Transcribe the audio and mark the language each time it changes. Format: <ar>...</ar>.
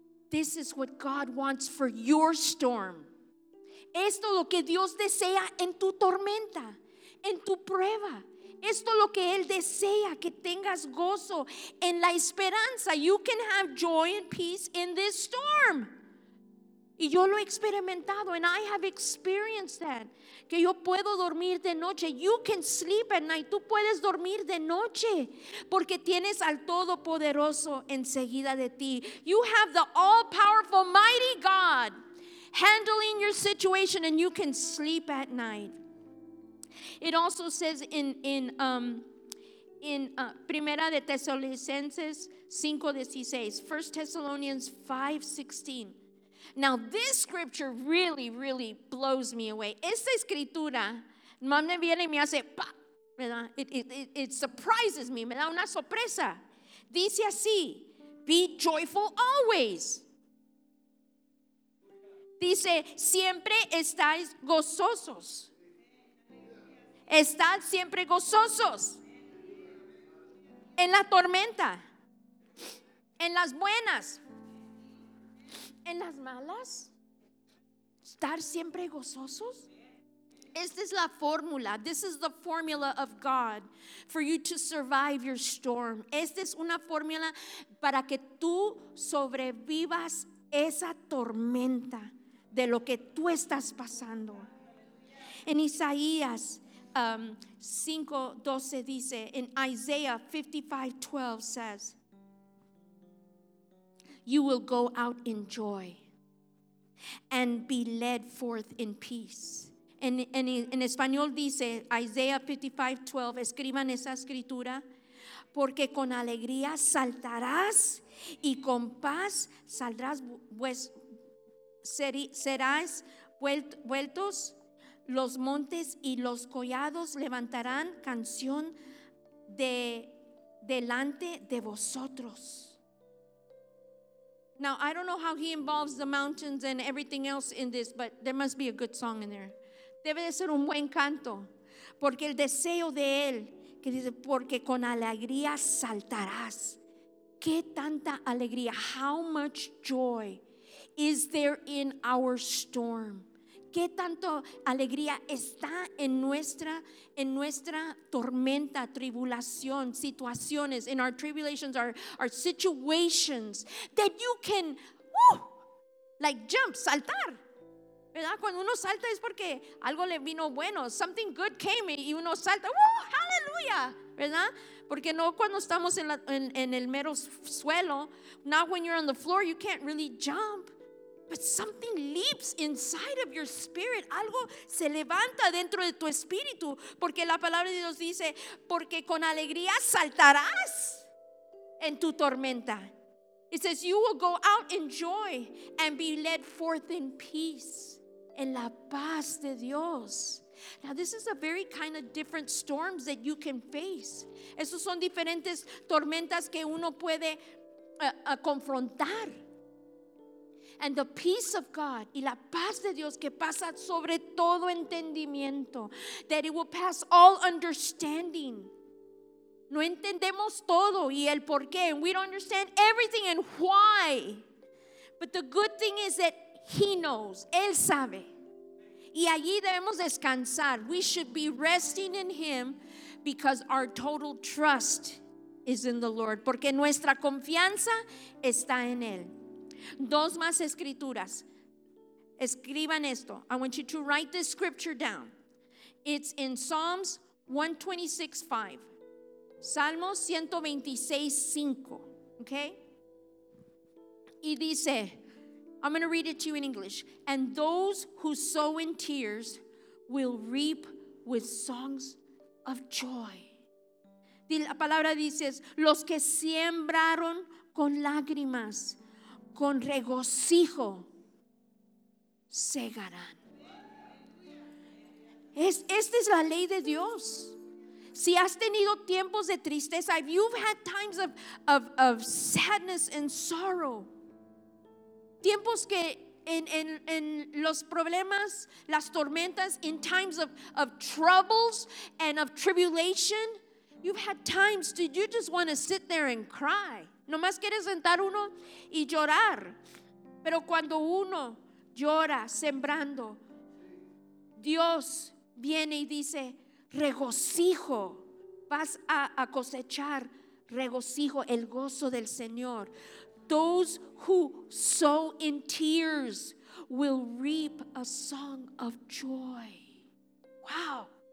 <en>This is what God wants for your storm.</en> <es>Esto es lo que Dios desea en tu tormenta, en tu prueba. Esto es lo que Él desea, que tengas gozo en la esperanza.</es> <en>You can have joy and peace in this storm.</en> <es>Y yo lo he experimentado,</es> <en>and I have experienced that.</en> <es>Que yo puedo dormir de noche.</es> <en>You can sleep at night.</en> <es>Tú puedes dormir de noche porque tienes al Todopoderoso enseguida de ti.</es> <en>You have the all-powerful, mighty God handling your situation, and you can sleep at night. It also says in Primera de Tesalonicenses 5:16, 1 Thessalonians 5:16. Now this scripture really, really blows me away.</en> <es>Esta escritura, me viene y me hace,</es> <en>it surprises me,</en> <es>me da una sorpresa. Dice así,</es> <en>be joyful always.</en> <es>Dice, siempre estáis gozosos. Estad siempre gozosos. En la tormenta. En las buenas. En las malas. Estar siempre gozosos. Esta es la fórmula.</es> <en>This is the formula of God for you to survive your storm.</en> <es>Esta es una fórmula para que tú sobrevivas esa tormenta de lo que tú estás pasando. En Isaías 5:12 dice,</es> <en>en Isaiah 55:12 says, you will go out in joy and be led forth in peace.</en> <es>En español dice, Isaiah 55:12, escriban esa escritura, porque con alegría saltarás y con paz saldrás, pues serás vueltos, los montes y los collados levantarán canción de delante de vosotros.</es> <en>Now, I don't know how he involves the mountains and everything else in this, but there must be a good song in there.</en> <es>Debe de ser un buen canto, porque el deseo de él, que dice, porque con alegría saltarás. ¿Qué tanta alegría?</es> <en>How much joy is there in our storm?</en> <es>¿Qué tanto alegría está en nuestra tormenta, tribulación, situaciones,</es> <en>in our tribulations, our situations, that you can, like jump,</en> <es>saltar? ¿Verdad? Cuando uno salta es porque algo le vino bueno,</es> <en>something good came</en> <es>y uno salta, hallelujah, ¿verdad? Porque no cuando estamos en el mero suelo,</es> <en>not when you're on the floor, you can't really jump. But something leaps inside of your spirit.</en> <es>Algo se levanta dentro de tu espíritu. Porque la palabra de Dios dice, porque con alegría saltarás en tu tormenta.</es> <en>It says, you will go out in joy and be led forth in peace.</en> <es>En la paz de Dios.</es> <en>Now this is a very kind of different storms that you can face.</en> <es>Esos son diferentes tormentas que uno puede confrontar.</es> <en>And the peace of God,</en> <es>y la paz de Dios que pasa sobre todo entendimiento,</es> <en>that it will pass all understanding.</en> <es>No entendemos todo y el por qué,</es> <en>and we don't understand everything and why. But the good thing is that He knows,</en> <es>Él sabe. Y allí debemos descansar.</es> <en>We should be resting in Him because our total trust is in the Lord.</en> <es>Porque nuestra confianza está en Él. Dos más escrituras. Escriban esto.</es> <en>I want you to write this scripture down. It's in Psalms 126:5.</en> <es>Salmos 126:5. Okay? Y dice,</es> <en>I'm going to read it to you in English. And those who sow in tears will reap with songs of joy.</en> <es>La palabra dice, los que siembraron con lágrimas, con regocijo segarán. Esta es la ley de Dios. Si has tenido tiempos de tristeza,</es> <en>if you've had times of sadness and sorrow,</en> <es>tiempos que en los problemas, las tormentas,</es> <en>in times of troubles and of tribulation, you've had times, did you just want to sit there and cry?</en> <es>No más quiere sentar uno y llorar. Pero cuando uno llora sembrando, Dios viene y dice, regocijo. Vas a cosechar regocijo, el gozo del Señor.</es> <en>Those who sow in tears will reap a song of joy. Wow.</en>